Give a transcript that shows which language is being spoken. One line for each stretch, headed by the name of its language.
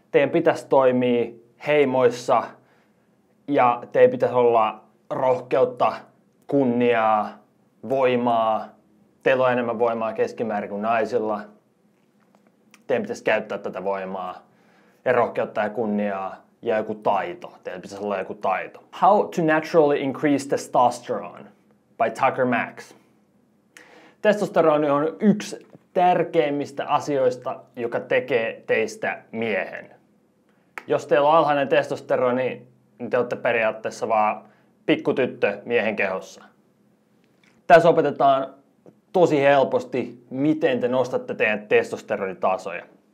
Finnish: Teidän pitäisi toimia heimoissa ja teidän pitäisi olla rohkeutta, kunniaa, voimaa. Teillä on enemmän voimaa keskimäärin kuin naisilla. Teidän pitäisi käyttää tätä voimaa ja rohkeutta ja kunniaa ja joku taito. Teillä pitäisi olla joku taito.
English: How to naturally increase testosterone by Tucker Max.
Finnish: Testosterone on yksi tärkeimmistä asioista, joka tekee teistä miehen. Jos teillä on alhainen testosteroni, niin te olette periaatteessa vaan pikkutyttö miehen kehossa. Tässä opetetaan tosi helposti, miten te nostatte teidän testosteronitasoja.